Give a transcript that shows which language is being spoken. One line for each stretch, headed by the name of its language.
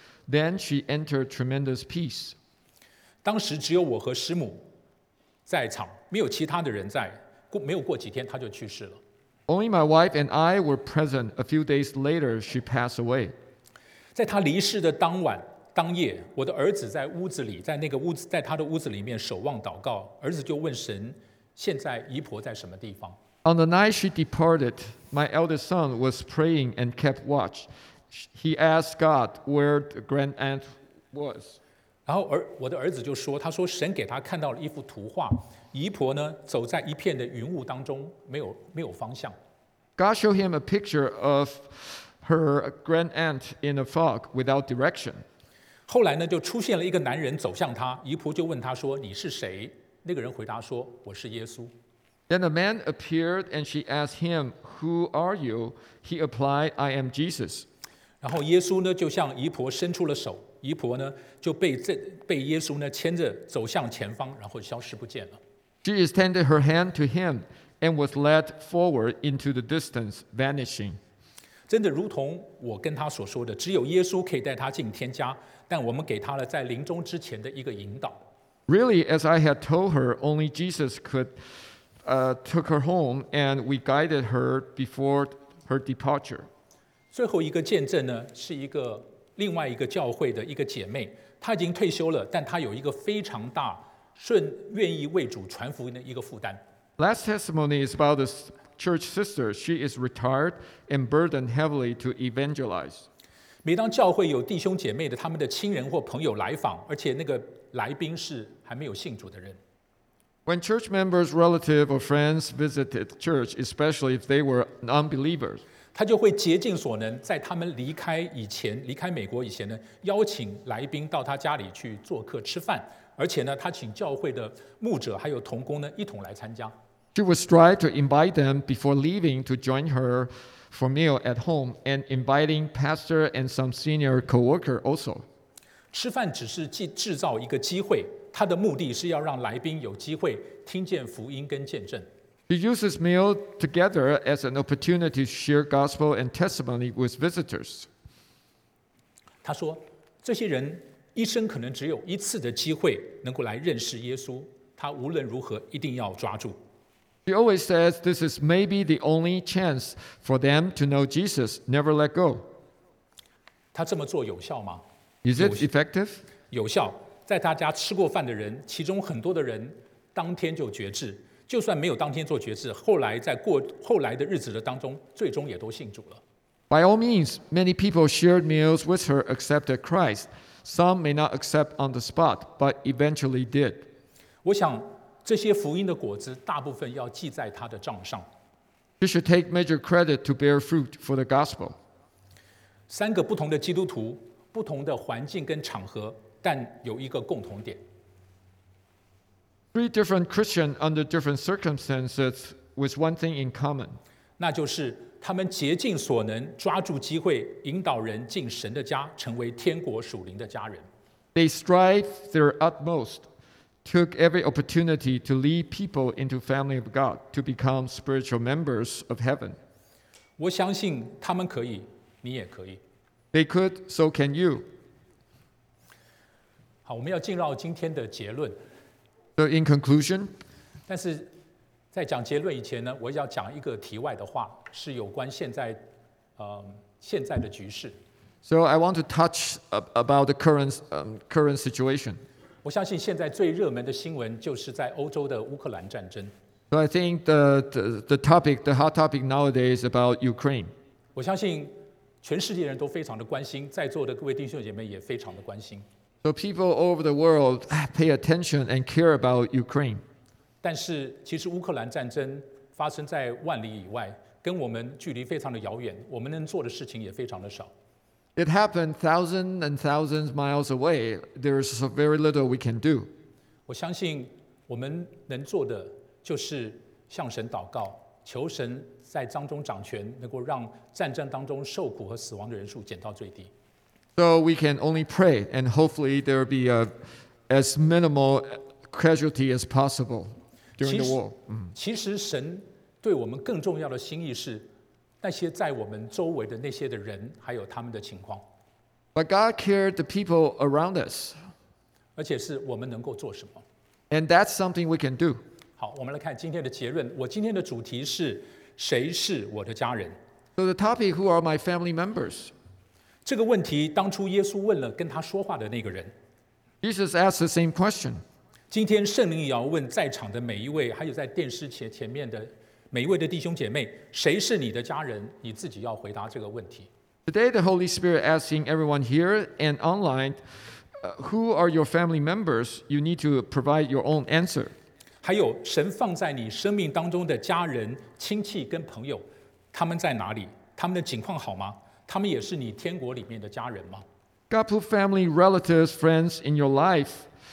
English: Then she entered tremendous peace.
Chinese: 当时只有我和师母在场，没有其他的人在，没有过几天他就去世了。
English: Only my wife and I were present. A few days later, she passed away.
Chinese: 在他离世的当晚当夜，我的儿子在屋子里，在那个屋子，在他的屋子里面守望祷告。儿子就问神，现在姨婆在什么地方？
English: On the night she departed, my eldest son was praying and kept watch. He asked God where the grand aunt was.
Chinese: 然后我的儿子就说，他说神给他看到了一幅图画，姨婆呢走在一片的云雾当中，没有方向。
English: God showed him a picture of her grand aunt in a fog without direction.
Chinese: 后来呢就出现了一个男人走向他，姨婆就问他说，你是谁？那个人回答说，我是耶稣。
English: Then a man appeared and she asked him, who are you? He replied, I am Jesus.
Chinese: 然后耶稣呢就向姨婆伸出了手，姨婆呢就 被耶稣呢牵着走向前方，然后消失不见了。
English: She extended her hand to him and was led forward into the distance, vanishing.
Chinese: 真的如同我跟她所说的，只有耶稣可以带她进天家，但我们给她了在临终之前的一个引导。
English: Really, as I had told her, only Jesus could took her home and we guided her before her departure.
Chinese: 最后一个见证呢是一个另外一个教会的一个姐妹，她已经退休了，但她有一个非常大愿意为主传福音的一个负担。
English: Last testimony is about a church sister. She is retired and burdened heavily to evangelize.
Chinese: 每当教会有弟兄姐妹的他们的亲人或朋友来访，而且那个来宾是还没有信主的人。
English: When church members, relative, or friends visited church, especially if they were unbelievers.
Chinese: 他就会竭尽所能，在他们离开以前，离开美国以前呢，邀请来宾到他家里去做客吃饭，而且呢，他请教会的牧者还有同工呢一同来参加。
English: She would strive to invite them before leaving to join her for meal at home, and inviting pastor and some senior coworker also.
Chinese: 吃饭只是制造一个机会，他的目的是要让来宾有机会听见福音跟见证。
English: She uses meal together as an opportunity to share gospel and testimony with visitors.
Chinese: 他说，这些人一生可能只有一次的机会能够来认识耶稣，他无论如何一定要抓住。
English: She always says this is maybe the only chance for them to know Jesus, never let go.
Chinese: 他这么做有效吗？
English: Is it effective?
Chinese: 有效，在他家吃过饭的人，其中很多的人当天就决志。就算没有当天做决志，后来的日子的当中，最终也都信主了。
English: By all means, many people shared meals with her, accepted Christ. Some may not accept on the spot, but eventually did.
Chinese: 我想这些福音的果子大部分要记在她的账上。
English: She should take major credit to bear fruit for the gospel.
Chinese: 三个不同的基督徒，不同的环境跟场合，但有一个共同点。
English: Three different Christians under different circumstances with one thing in common.
Chinese: 那就是他们竭尽所能抓住机会引导人进神的家，成为天国属灵的家人。
English: They strive their utmost, took every opportunity to lead people into family of God to become spiritual members of heaven.
Chinese: 我相信他们可以，你也可以。
English: They could, so can you.
Chinese: 好，我们要进入今天的结论。
English: So in conclusion.
Chinese: 但是在讲结论以前呢，我要讲一个题外的话，是有关现在的局势。
English: So I want to touch about the current situation.
Chinese: 我相信现在最热门的新闻就是在欧洲的乌克兰战争。
English: So I think the hot topic nowadays is about Ukraine.
Chinese: 我相信全世界人都非常的关心，在座的各位弟兄姐妹也非常的关心。
English: So people all over the world pay attention and care about Ukraine.
Chinese: 但是其实乌克兰战争发生在万里以外，跟我们距离非常的遥远，我们能做的事情也非常的少。
English: It happened thousands and thousands of miles away. There is very little we can do.
Chinese: 我相信我们能做的就是向神祷告，求神在当中掌权，能够让战争当中受苦和死亡的人数减到最低。
English: So we can only pray, and hopefully there will be as minimal casualty as possible during the war.
Chinese: 其实神对我们更重要的心意是那些在我们周围的那些的人，还有他们的情况。
English: But God cared the people around us.
Chinese: 而且是我们能够做什么。
English: And that's something we can do.
Chinese: 好，我们来看今天的结论。我今天的主题是谁是我的家人。
English: So the topic, who are my family members?
Chinese: 这个问题当初耶稣问了跟他说话的那个人。
English: Jesus asked the same question.
Chinese: 今天圣灵也要问在场的每一位，还有在电视前面的每一位的弟兄姐妹，谁是你的家人？你自己要回答这个问题。
English: Today, the Holy Spirit asking everyone here and online, who are your family members? You need to provide your own answer.
Chinese: 还有神放在你生命当中的家人、亲戚跟朋友，他们在哪里？他们的情况好吗？他们也是你天国里面的家人吗？
English: God put family, relatives, friends in your life.